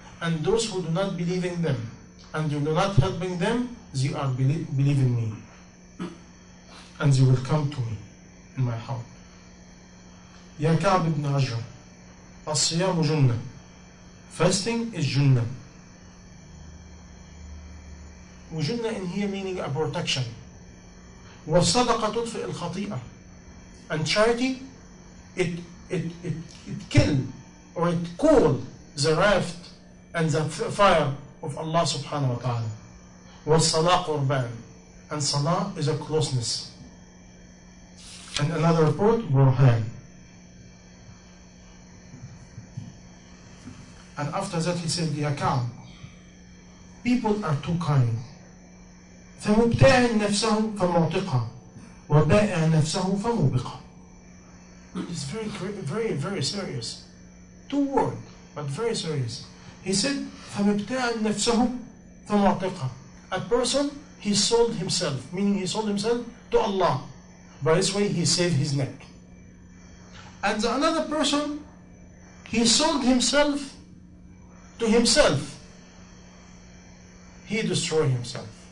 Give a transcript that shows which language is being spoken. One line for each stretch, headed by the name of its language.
English: And those who do not believe in them and you do not helping them, they are believe in me and they will come to me in my heart.
Arabic: يا كعب بن عجرة الصيام جنة.
English: Fasting is جنة. وجنة in here meaning a protection.
Arabic: والصدقة تطفئ الخطيئة.
English: And charity it kill or it cool the raft and the fire of Allah subhanahu wa ta'ala.
Arabic: والصلاة قربان.
English: And salah is a closeness. And another report, burhan. And after that he said, Ya Ka'b, people are too kind.
Arabic: فمبتاع نفسه فمعتقا وبائع نفسه فمبقا.
English: It's very, very, very serious. Two words, but very serious. He said,
Arabic: فَمِبْتَاعَ نَفْسَهُ فَمَعْتِقَ.
English: A person, he sold himself, meaning he sold himself to Allah. By this way, he saved his neck. And another person, he sold himself to himself. He destroyed himself.